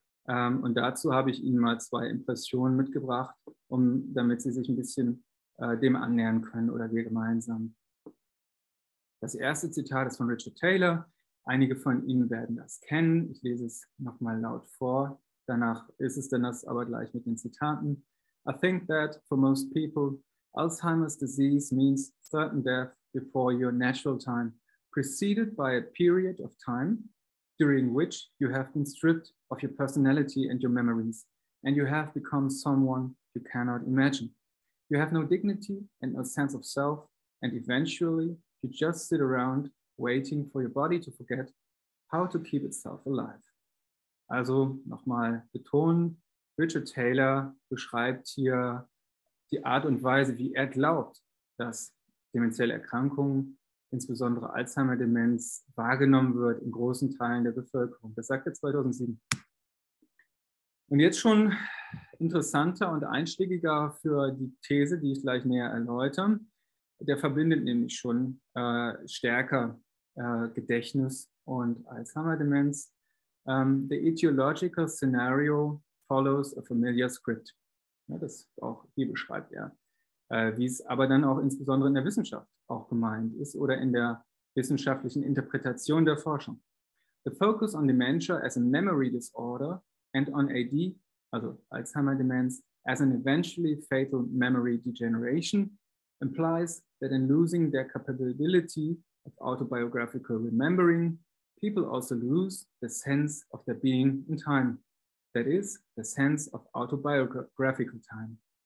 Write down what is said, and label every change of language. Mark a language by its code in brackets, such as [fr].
[de] Und dazu habe ich Ihnen mal zwei Impressionen mitgebracht, damit Sie sich ein bisschen dem annähern können oder wir gemeinsam. Das erste Zitat ist von Richard Taylor. Einige von Ihnen werden das kennen. Ich lese es nochmal laut vor. Danach ist es dann das aber gleich mit den Zitaten. [en] I think that for most people, Alzheimer's disease means certain death before your natural time, preceded by a period of time during which you have been stripped of your personality and your memories, and you have become someone you cannot imagine. You have no dignity and no sense of self, and eventually you just sit around waiting for your body to forget how to keep itself alive. [de] Also nochmal betonen, Richard Taylor beschreibt hier die Art und Weise, wie er glaubt, dass dementielle Erkrankungen, insbesondere Alzheimer-Demenz, wahrgenommen wird in großen Teilen der Bevölkerung. Das sagt er 2007. Und jetzt schon interessanter und einschlägiger für die These, die ich gleich näher erläutere. Der verbindet nämlich schon stärker Gedächtnis und Alzheimer-Demenz. [en] The etiological scenario follows a familiar script. [de] Ja, das auch hier beschreibt er. Wie es aber dann auch insbesondere in der Wissenschaft auch gemeint ist oder in der wissenschaftlichen Interpretation der Forschung. [en] The focus on dementia as a memory disorder and on AD, [de] also Alzheimer-Demenz, [en] as an eventually fatal memory degeneration, implies that in losing their capability of autobiographical remembering, people also lose the sense of their being in time, that is, the sense of autobiographical time.